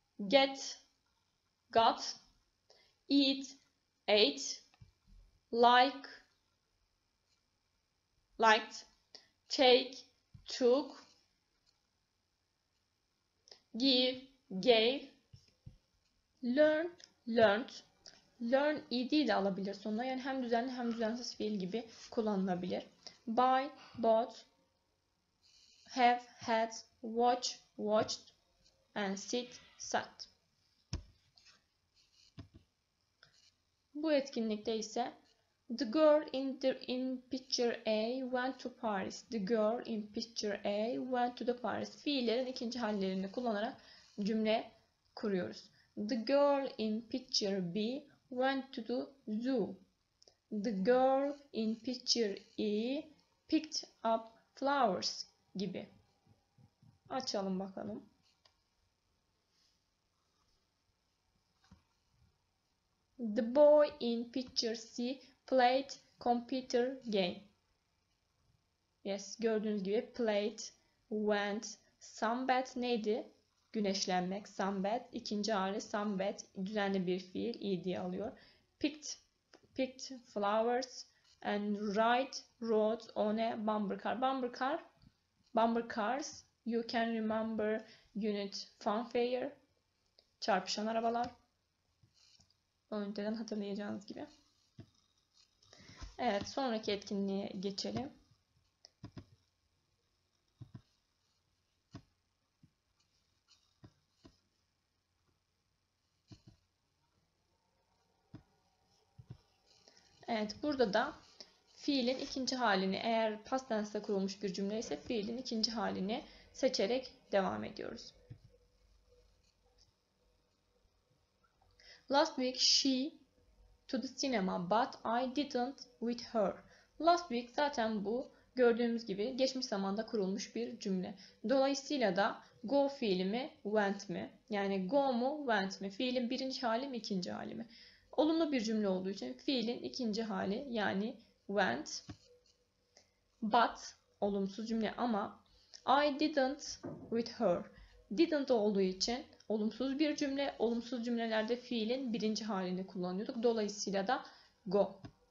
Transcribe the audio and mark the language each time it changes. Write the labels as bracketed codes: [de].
[en] Get, got, eat, ate, like, liked, take, took, give, gave, learn, learned. [tr] Learn, ed de alabilir sonuna. Yani hem düzenli hem düzensiz fiil gibi kullanılabilir. [en] Buy, bought, have, had, watch, watched, and sit, sat. [tr] Bu etkinlikte ise [en] the girl in picture A went to Paris. The girl in picture A went to the Paris. [tr] Fiillerin ikinci hallerini kullanarak cümle kuruyoruz. [en] The girl in picture B went to the zoo. The girl in picture E picked up flowers gibi. [tr] Açalım bakalım. [en] The boy in picture C played computer game. [tr] Yes, gördüğünüz gibi played, went, sunbathed neydi? Güneşlenmek, sunbathed. İkinci hali sunbathed, düzenli bir fiil, ed alıyor. [en] Picked flowers and rode on a bumper car. Bumper car, bumper cars. You can remember unit funfair. [tr] Çarpışan arabalar. Önceden hatırlayacağınız gibi. Evet, sonraki etkinliğe geçelim. Evet, burada da fiilin ikinci halini, eğer past tense'de kurulmuş bir cümle ise fiilin ikinci halini seçerek devam ediyoruz. [en] Last week she to the cinema, but I didn't with her. [tr] Last week zaten bu gördüğümüz gibi geçmiş zamanda kurulmuş bir cümle. Dolayısıyla da go fiili mi, went mi? Yani go mu, went mi? Fiilin birinci hali mi, ikinci hali mi? Olumlu bir cümle olduğu için fiilin ikinci hali yani went. [en] But, [tr] olumsuz cümle ama [en] I didn't with her. [tr] Didn't olduğu için olumsuz bir cümle. Olumsuz cümlelerde fiilin birinci halini kullanıyorduk. Dolayısıyla da go.